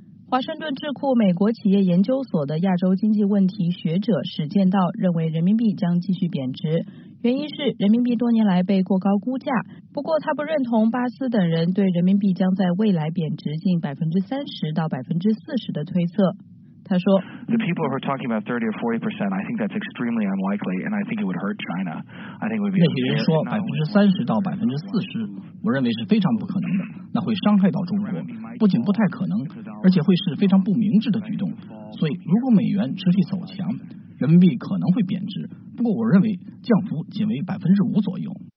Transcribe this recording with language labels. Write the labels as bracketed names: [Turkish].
[Chinese] 华盛顿智库美国企业研究所的亚洲经济问题学者史建道认为，人民币将继续贬值，原因是人民币多年来被过高估价。不过他不认同巴斯等人对人民币将在未来贬值近30%到40%的推测。他说 [English] ，The people who are talking about 30 or 40%, I think that's extremely unlikely, and I think it would hurt China. I think it would be. [Chinese] 那些人说30%到40%，我认为是非常不可能的，那会伤害到中国，不仅不太可能，而且会是非常不明智的举动。所以，如果美元持续走强，人民币可能会贬值，不过我认为降幅仅为5%左右。